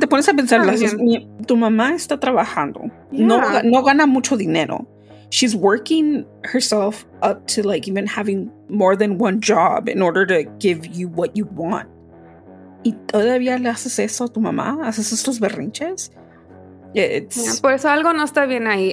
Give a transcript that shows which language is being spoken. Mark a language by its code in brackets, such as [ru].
[es] te pones a pensar, tu mamá está trabajando. [en] Yeah. [es] No gana mucho dinero. [en] She's working herself up to, like, even having more than one job in order to give you what you want. [es] Y todavía le haces eso a tu mamá, haces estos berrinches. [en] It's... Yeah, [es] por eso algo no está bien ahí.